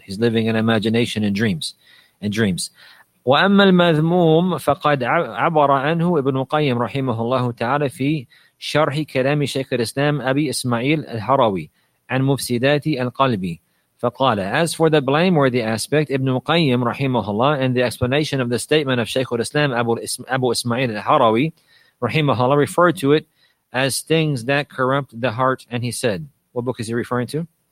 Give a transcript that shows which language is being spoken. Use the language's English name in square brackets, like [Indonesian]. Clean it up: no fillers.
[English] He's living in imagination and dreams. [Arabic] وأما المذموم فقد عبر عنه ابن القيم رحمه الله تعالى في شرح كلام شيخ الإسلام أبي إسماعيل الحراوي عن مفسدات القلب. فقال, [English] as for the blameworthy aspect, Ibn Qayyim rahimahullah, and the explanation of the statement of Shaykh al-Islam Abu Ismail al-Harawi rahimahullah, referred to it as things that corrupt the heart. And he said, what book is he referring to?